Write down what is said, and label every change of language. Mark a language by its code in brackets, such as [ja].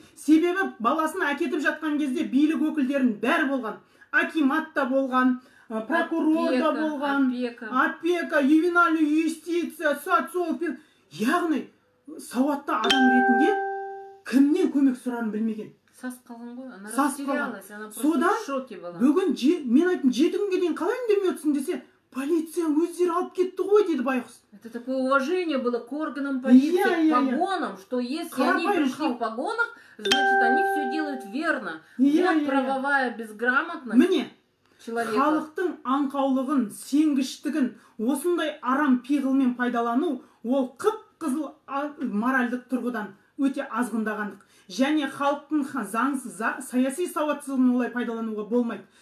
[kk] Себебі баласын әкетіп жатқан кезде билік өкілдерінің бәрі болған. Акимат та болған, прокурор да болған, опека, ювенальная юстиция, социофин. Яғни, сауатты адам ретінде кімнен көмек сұрарын білмеген. Сас қалған ғой, она [ru] растерялась, она просто в шоке была. Содан, бүгін, мен айтым, полиция өздері алып кетті ғой деді байқұс. Это такое уважение было к органам полиции, к погонам, что если они пришли в погонах, значит они все делают верно. Вот правовая безграмотность человека. [kk] Міне, халықтың аңқаулығын, сенгіштігін, осындай арам пиғылмен пайдалану, ол қып-қызыл моральдық тұрғыдан өте азғындағандық. Және халықтың заңсыз, саяси сауатсыздығын олай пайдалануға болмайды.